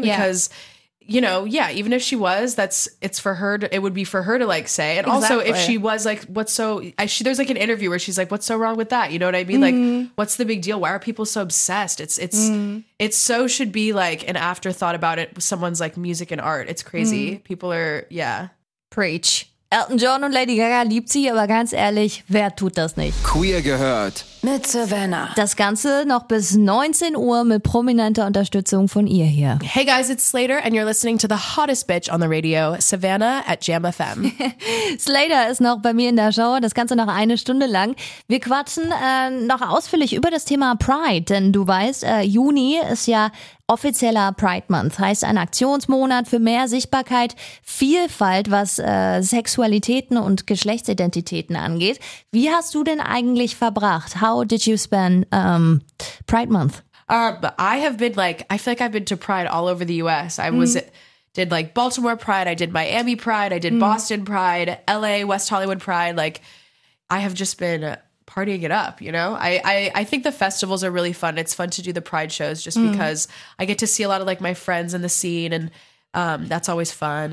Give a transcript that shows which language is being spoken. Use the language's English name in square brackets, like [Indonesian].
[English] Because you know, yeah, even if she was, it would be for her to like say. And also if she was like, there's like an interview where she's like, what's so wrong with that? You know what I mean? Like, what's the big deal? Why are people so obsessed? It should be like an afterthought about it. Someone's like music and art. It's crazy. Mm. People are, Preach. [German] Elton John und Lady Gaga liebt sie, aber ganz ehrlich, wer tut das nicht? Queer gehört mit Savannah. Das Ganze noch bis 19 Uhr mit prominenter Unterstützung von ihr hier. [English] Hey guys, it's Slater and you're listening to the hottest bitch on the radio, Savannah at Jam FM. [German] Slater ist noch bei mir in der Show, das Ganze noch eine Stunde lang. Wir quatschen noch ausführlich über das Thema Pride, denn du weißt, Juni ist ja offizieller Pride Month, heißt ein Aktionsmonat für mehr Sichtbarkeit, Vielfalt, was Sexualitäten und Geschlechtsidentitäten angeht. Wie hast du denn eigentlich verbracht? [English] How did you spend Pride Month? I feel like I've been to Pride all over the US. I did like Baltimore Pride, I did Miami Pride, I did Boston Pride, LA, West Hollywood Pride. Like, I have just been partying it up, you know? I think the festivals are really fun. It's fun to do the Pride shows just because I get to see a lot of like my friends in the scene, and that's always fun.